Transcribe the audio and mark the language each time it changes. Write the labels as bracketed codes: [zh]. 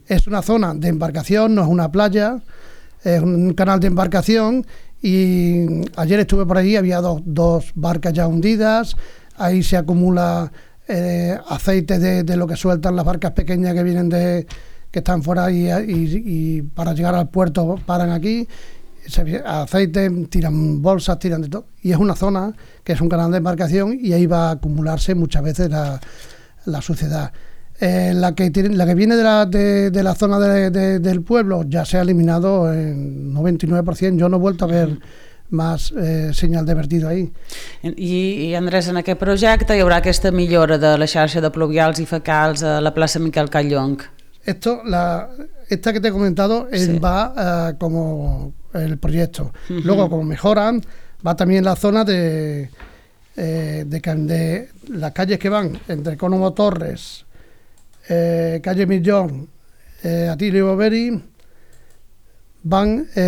[es] Es una zona de embarcación, no es una playa, es un canal de embarcación y ayer estuve por ahí, había dos barcas ya hundidas, ahí se acumula aceite de lo que sueltan las barcas pequeñas que vienen de que están fuera y para llegar al puerto paran aquí, aceite, tiran bolsas, tiran de todo, y es una zona que es un canal de embarcación y ahí va a acumularse muchas veces la suciedad. La que viene de la zona del pueblo ya se ha eliminado en 99%, yo no he vuelto a ver más señal de vertido ahí. [ca] I Andrés, en aquest projecte hi haurà aquesta millora de la xarxa de pluvials i fecals a la plaça Miquel Callón? [es] Esta que te he comentado va como el proyecto. Uh-huh. Luego, como mejoran, va también la zona de las calles que van entre Cónomo Torres, calle Millón, Atilio Boveri, van